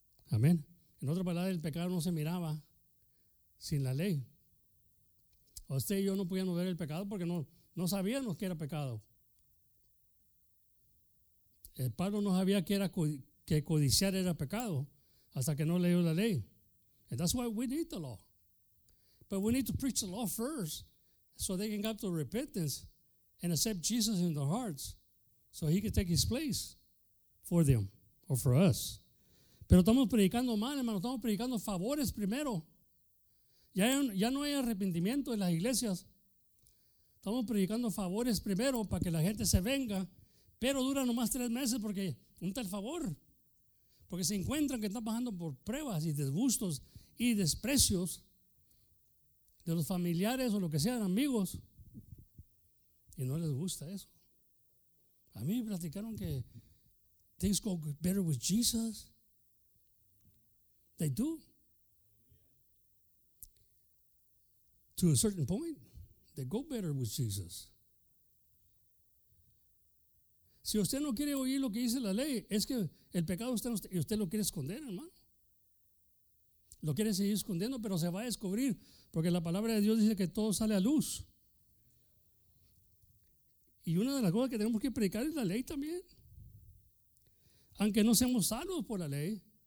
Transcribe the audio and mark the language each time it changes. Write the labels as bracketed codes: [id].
[es] Amén. En otra palabra, el pecado no se miraba sin la ley. Usted y yo no podíamos ver el pecado porque no sabíamos que era pecado. El Pablo no sabía que era que codiciar era pecado hasta que no leyó la ley. [en] And that's why we need the law. But we need to preach the law first so they can get to repentance and accept Jesus in their hearts so he can take his place for them or for us. [es] Pero estamos predicando mal, hermano. Estamos predicando favores primero. Ya no hay arrepentimiento en las iglesias. Estamos predicando favores primero para que la gente se venga. Pero dura nomás 3 meses porque un tal favor. Porque se encuentran que están pasando por pruebas y disgustos y desprecios de los familiares o lo que sean, amigos. Y no les gusta eso. A mí me platicaron que [en] things go better with Jesus. They do. To a certain point, they go better with Jesus. [es] Si usted no quiere oír lo que dice la ley, es que el pecado está en usted y usted lo quiere esconder, hermano. Lo quiere seguir escondiendo, pero se va a descubrir, porque la palabra de Dios dice que todo sale a luz. Y una de las cosas que tenemos que predicar es la ley también. Aunque no seamos salvos por la ley.